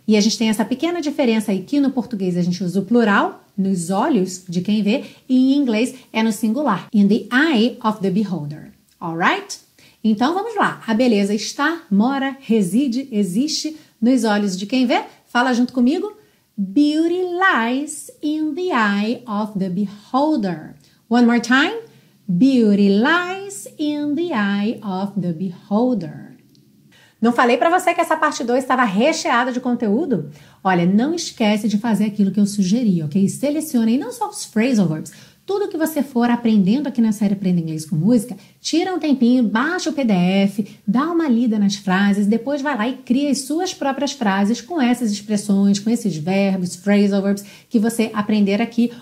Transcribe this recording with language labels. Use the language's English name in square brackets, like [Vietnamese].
[Portuguese] E a gente tem essa pequena diferença aí que no português a gente usa o plural, nos olhos de quem vê, e em inglês é no singular, [English] in the eye of the beholder. [Portuguese] Alright? Então vamos lá, a beleza está, mora, reside, existe nos olhos de quem vê? Fala junto comigo. [English] Beauty lies in the eye of the beholder. One more time. Beauty lies in the eye of the beholder. [Portuguese] Não falei para você que essa parte 2 estava recheada de conteúdo? Olha, não esquece de fazer aquilo que eu sugeri, ok? Selecione aí não só os phrasal verbs, tudo que você for aprendendo aqui na série Aprenda Inglês com Música, tira um tempinho, baixa o PDF, dá uma lida nas frases, depois vai lá e cria as suas próprias frases com essas expressões, com esses verbos, phrasal verbs que você aprender aqui.